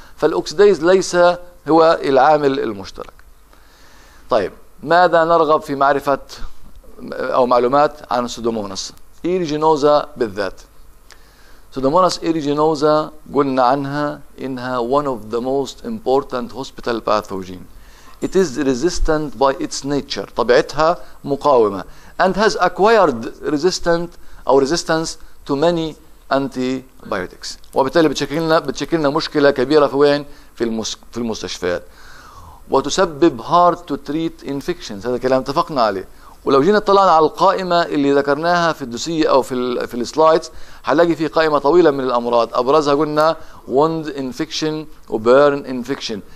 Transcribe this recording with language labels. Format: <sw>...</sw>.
<ar>فالoxidase ليس هو العامل المشترك. طيب ماذا نرغب في معرفة أو معلومات عن Pseudomonas aeruginosa بالذات؟ Pseudomonas aeruginosa قلنا عنها إنها</ar> <en>one of the most important hospital pathogen. It is resistant by its nature.</en> <ar>طبيعتها مقاومة.</ar> <en>And has acquired resistant or resistance to many antibiotics.</en> <ar>وبالتالي بتشكلنا مشكلة كبيرة في وين؟ في المستشفيات. وتسبب</ar> <en>hard to treat infections.</en> <ar>هذا كلام اتفقنا عليه. ولو جينا طلعنا على القائمة اللي ذكرناها في الدوسية أو في السلايدز هلاقي في قائمة طويلة من الأمراض. أبرزها قلنا</ar> <en>wound infection</en> <ar>و</ar> <en>burn infection.</en>